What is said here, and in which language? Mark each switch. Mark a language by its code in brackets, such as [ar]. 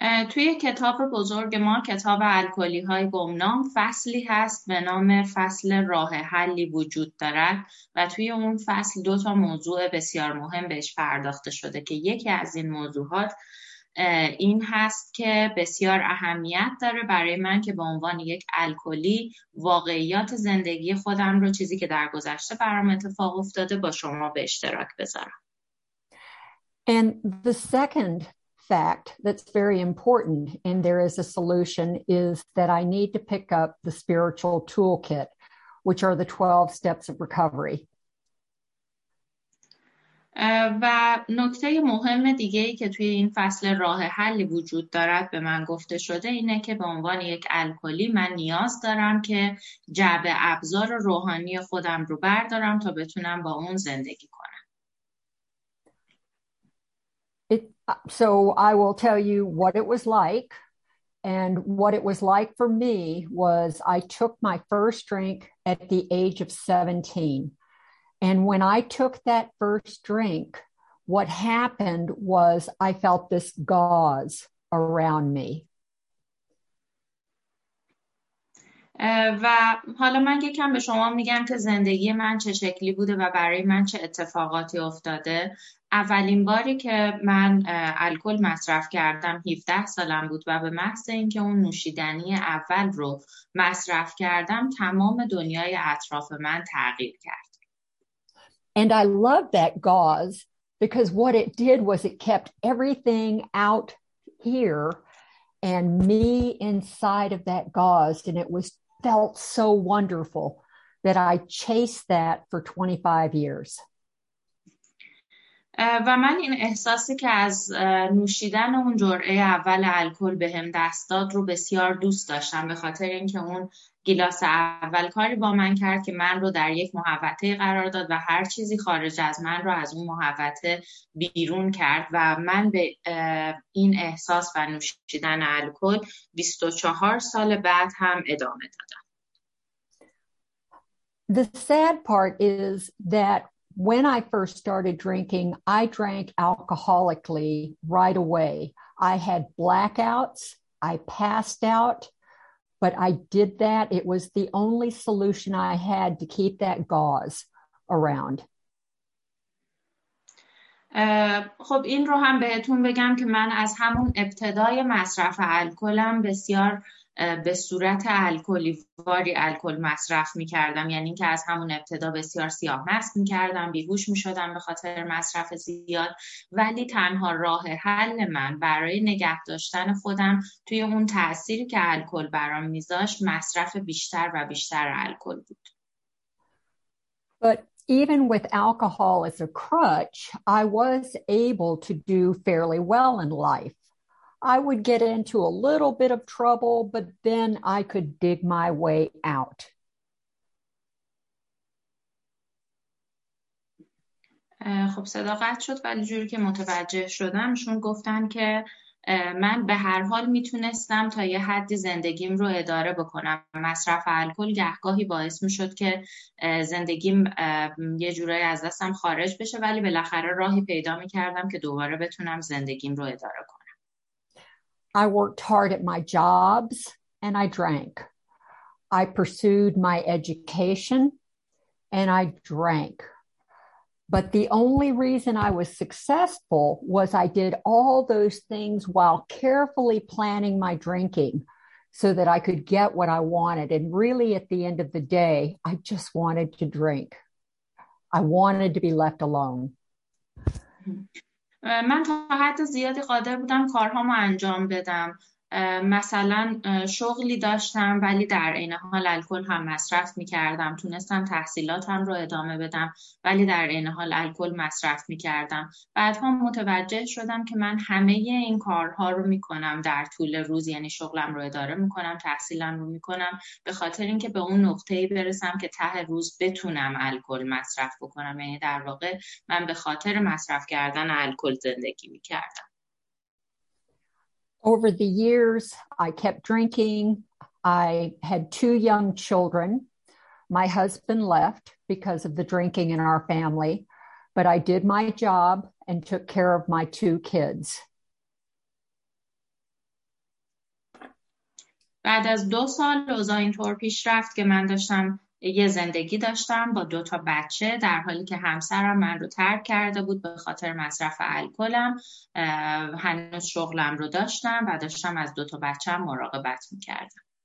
[fa] توی کتاب بزرگ ما، کتاب الکلی های گمنام، فصلی هست به نام فصل راه حلی وجود دارد و توی اون فصل دو تا موضوع بسیار مهم بهش پرداخته شده که یکی از این موضوعات این هست که بسیار اهمیت داره برای من که به عنوان یک الکلی واقعیات زندگی خودم رو، چیزی که در گذشته برام اتفاق افتاده، با شما به اشتراک بذارم. [en] And the second fact that's very important and there is a solution is that I need to pick up the spiritual toolkit, which are the 12 steps of recovery. [fa] و نکته مهم دیگه ای که توی این فصل راه حلی وجود دارد به من گفته شده اینه که به عنوان یک الکلی من نیاز دارم که جعبه ابزار روحانی خودم رو بردارم تا بتونم با اون زندگی کنم. [en] So I will tell you what it was like, and what it was like for me was I took my first drink at the age of 17. And when I took that first drink, what happened was I felt this gauze around me. [fa] و حالا من یکم به شما میگم که زندگی من چه شکلی بوده و برای من چه اتفاقاتی افتاده. اولین باری که من الکل مصرف کردم 17 سالم بود و به محض اینکه اون نوشیدنی اول رو مصرف کردم، تمام دنیای اطراف من تغییر کرد. [en] And I love that gauze because what it did was it kept everything out here and me inside of that gauze, and it was felt so wonderful that I chased that for 25 years. [fa] و من این احساسی که از نوشیدن اون جرعه اول الکل بهم دست داد رو بسیار دوست داشتم، به خاطر اینکه اون گلاس اول کاری با من کرد که من رو در یک محوطه قرار داد و هر چیزی خارج از من رو از اون محوطه بیرون کرد و من به این احساس و نوشیدن الکل 24 سال بعد هم ادامه دادم. [en] The sad part is that when I first started drinking, I drank alcoholically right away. I had blackouts, I passed out. But I did that. It was the only solution I had to keep that gauze around. [fa] خب این رو هم بهتون بگم که من از همون ابتدای مصرف الکلم بسیار به صورت الکلیواری الکل مصرف می‌کردم، یعنی که از همون ابتدا بسیار سیاه مست می‌کردم، بیهوش می‌شدم به خاطر مصرف زیاد، ولی تنها راه حل من برای نگه داشتن خودم توی اون تأثیری که الکل برام می‌ذاشت مصرف بیشتر و بیشتر الکل بود. [en] But even with alcohol as a crutch, I was able to do fairly well in life. I would get into a little bit of trouble, but then I could dig my way out. [fa] خب صداقت شد ولی جوری که متوجه شدم شون گفتن که من به هر حال میتونستم تا یه حدی زندگیم رو اداره بکنم. مصرف الکل گهگاهی باعث میشد که زندگیم یه جورایی از دستم خارج بشه ولی بالاخره راهی پیدا میکردم که دوباره بتونم زندگیم رو اداره کنم. [en] I worked hard at my jobs and I drank. I pursued my education and I drank. But the only reason I was successful was I did all those things while carefully planning my drinking so that I could get what I wanted. And really, at the end of the day, I just wanted to drink. I wanted to be left alone. [fa] من تا حد زیادی قادر بودم کارهامو انجام بدم. مثلا شغلی داشتم ولی در عین حال الکل هم مصرف میکردم. تونستم تحصیلاتم رو ادامه بدم ولی در عین حال الکل مصرف میکردم. بعدها متوجه شدم که من همه این کارها رو میکنم در طول روز، یعنی شغلم رو اداره میکنم، تحصیلم رو میکنم به خاطر اینکه به اون نقطه‌ای برسم که ته روز بتونم الکل مصرف بکنم. یعنی در واقع من به خاطر مصرف کردن الکل زندگی میکردم. [en] Over the years, I kept drinking. I had two young children. My husband left because of the drinking in our family, but I did my job and took care of my two kids. [fa] بعد از 2 سال اوضاع اینطور پیش رفت که من داشتم یه زندگی داشتم با 2 تا بچه در حالی که همسرم من رو ترک کرده بود به خاطر مصرف الکلم. هنوز شغلم رو داشتم و داشتم از 2 تا بچه‌ام مراقبت می‌کردم.